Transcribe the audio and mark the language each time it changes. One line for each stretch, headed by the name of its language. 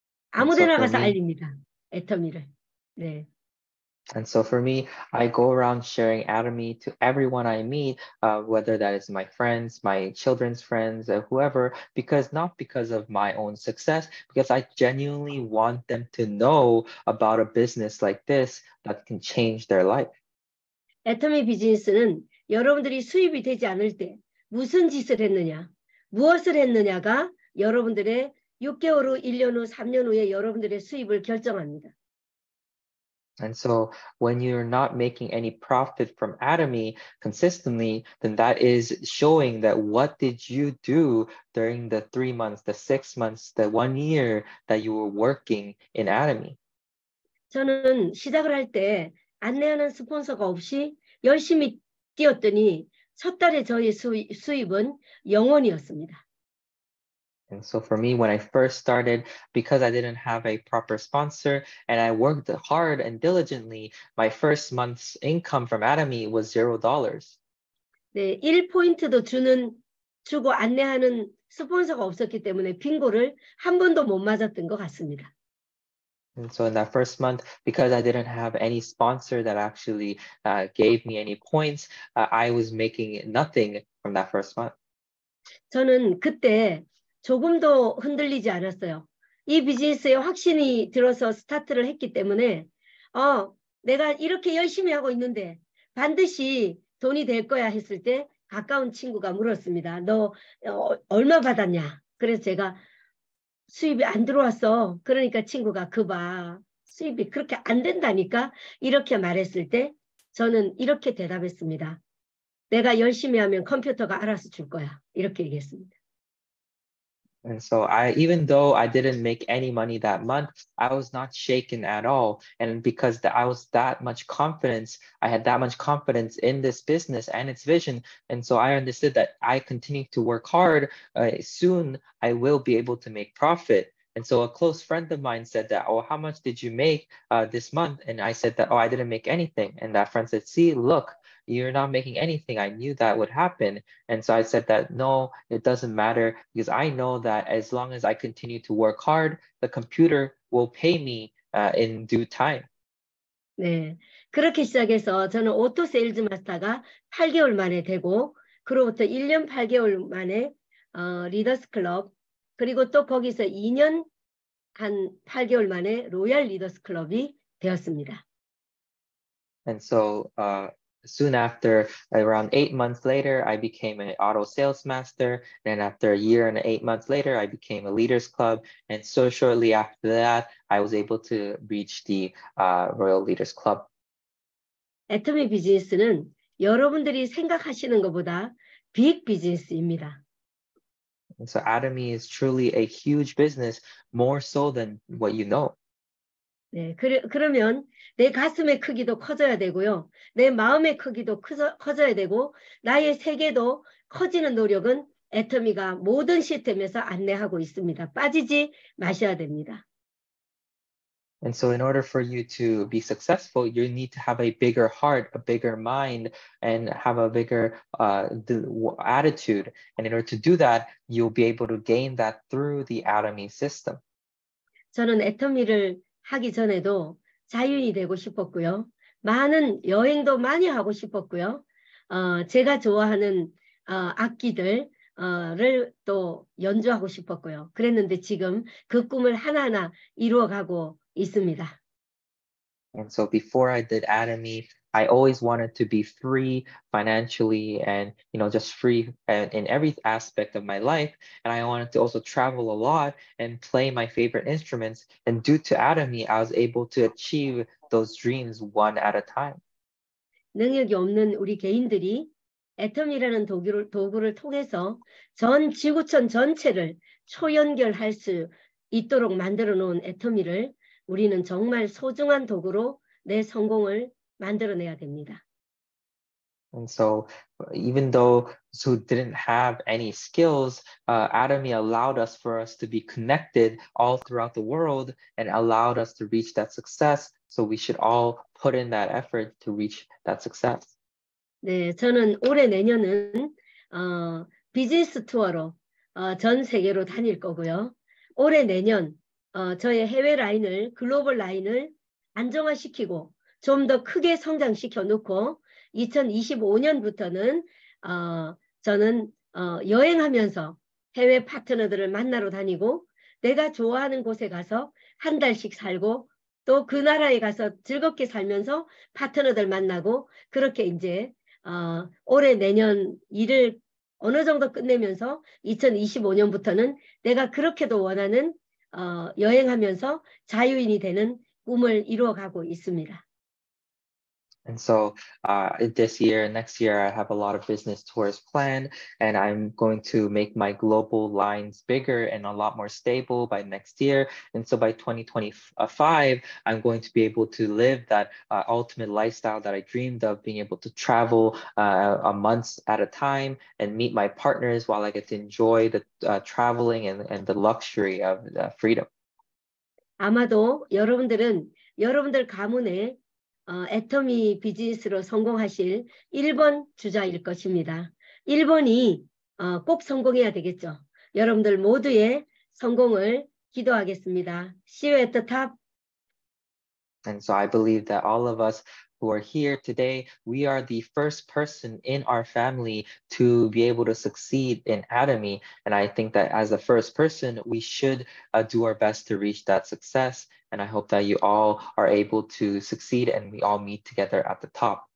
Korean: 아무데나 가서 알립니다. 애터미를. 네.
English: And so for me, I go around sharing Atomy to everyone I meet, whether that is my friends, my children's friends, or whoever, because not because of my own success, because I genuinely want them to know about a business like this that can change their life.
Korean: Atomy 비즈니스는 여러분들이 수입이 되지 않을 때 무슨 짓을 했느냐, 무엇을 했느냐가 여러분들의 6개월 후, 1년 후, 3년 후에 여러분들의 수입을 결정합니다.
English: And so when you're not making any profit from Atomy consistently, then that is showing that what did you do during the 3 months, the 6 months, the 1 year that you were working in Atomy?
Korean: 저는 시작을 할 때 안내하는 스폰서가 없이 열심히 뛰었더니 첫 달에 저희 수입은 0원이었습니다.
English: And so for me, when I first started, because I didn't have a proper sponsor and I worked hard and diligently, my first month's income from Atomy was $0.
Korean: 네, 1포인트도 주고 안내하는 스폰서가 없었기 때문에 빙고를 한 번도 못 맞았던 것 같습니다.
English: And so in that first month, because I didn't have any sponsor that actually gave me any points, I was making nothing from that first month.
Korean: 저는 그때 조금도 흔들리지 않았어요. 이 비즈니스에 확신이 들어서 스타트를 했기 때문에 내가 이렇게 열심히 하고 있는데 반드시 돈이 될 거야 했을 때 가까운 친구가 물었습니다. 너 얼마 받았냐? 그래서 제가 수입이 안 들어왔어. 그러니까 친구가 그 봐. 수입이 그렇게 안 된다니까? 이렇게 말했을 때 저는 이렇게 대답했습니다. 내가 열심히 하면 컴퓨터가 알아서 줄 거야. 이렇게 얘기했습니다.
English: And so even though I didn't make any money that month, I was not shaken at all. And because I was that much confidence, I had that much confidence in this business and its vision. And so I understood that I continue to work hard. Soon I will be able to make profit. And so a close friend of mine said that, oh, how much did you make this month? And I said that, oh, I didn't make anything. And that friend said, see, look, you're not making anything. I knew that would happen. And so I said that, no, it doesn't matter because I know that as long as I continue to work hard, the computer will pay me in due time.
Korean: 네, 그렇게 시작해서 저는 오토 세일즈 마스터가 8개월 만에 되고 그로부터 1년 8개월 만에 리더스 클럽 그리고 또 거기서 2년 한 8개월 만에 로얄 리더스 클럽이 되었습니다.
English: And so, soon after, around 8 months later, I became an auto sales master. And after a year and 8 months later, I became a leaders club. And so shortly after that, I was able to reach the Royal Leaders Club.
Korean: Atomy 비즈니스는 여러분들이 생각하시는 것보다 빅 비즈니스입니다.
English: And so Atomy is truly a huge business, more so than what you know.
Korean: 네, 그러면 내 가슴의 크기도 커져야 되고요. 내 마음의 크기도 커져야 되고 나의 세계도 커지는 노력은 애터미가 모든 시스템에서 안내하고 있습니다. 빠지지 마셔야 됩니다.
English: And so in order for you to be successful, you need to have a bigger heart, a bigger mind, and have a bigger attitude. And in order to do that, you'll be able to gain that through the Atomy system.
Korean: 저는 애터미를 하기 전에도 자유인이 되고 싶었고요. 많은 여행도 많이 하고 싶었고요. 제가 좋아하는 악기들을 또 연주하고 싶었고요. 그랬는데 지금 그 꿈을 하나하나 이루어가고 있습니다.
English: And so before I did Atomy, I always wanted to be free financially and, you know, just free in every aspect of my life. And I wanted to also travel a lot and play my favorite instruments. And due to Atomy, I was able to achieve those dreams one at a time.
Korean: 능력이 없는 우리 개인들이 애터미라는 도구를 통해서 전 지구촌 전체를 초연결할 수 있도록 만들어 놓은 애터미를 우리는 정말 소중한 도구로 내 성공을 만들어내야 됩니다.
English: And so even though who didn't have any skills, Atomy allowed us for us to be connected all throughout the world and allowed us to reach that success. So we should all put in that effort to reach that success.
Korean: 네, 저는 올해 내년은 비즈니스 투어로 전 세계로 다닐 거고요. 올해 내년 저의 해외 라인을 글로벌 라인을 안정화시키고 좀 더 크게 성장시켜 놓고 2025년부터는 저는 여행하면서 해외 파트너들을 만나러 다니고 내가 좋아하는 곳에 가서 한 달씩 살고 또 그 나라에 가서 즐겁게 살면서 파트너들 만나고 그렇게 이제 올해 내년 일을 어느 정도 끝내면서 2025년부터는 내가 그렇게도 원하는 여행하면서 자유인이 되는 꿈을 이루어가고 있습니다.
English: And so this year, next year, I have a lot of business tours planned, and I'm going to make my global lines bigger and a lot more stable by next year. And so by 2025, I'm going to be able to live that ultimate lifestyle that I dreamed of, being able to travel a month at a time and meet my partners while I get to enjoy the traveling and the luxury of the freedom.
Korean: 아마도 여러분들은 여러분들 가문에 애터미 비즈니스로 성공하실 1번 주자일 것입니다. 1번이 꼭 성공해야 되겠죠. 여러분들 모두의 성공을 기도하겠습니다.
English: See you at the top. And so I believe that all of us who are here today, we are the first person in our family to be able to succeed in Atomy. And I think that as the first person, we should do our best to reach that success. And I hope that you all are able to succeed and we all meet together at the top.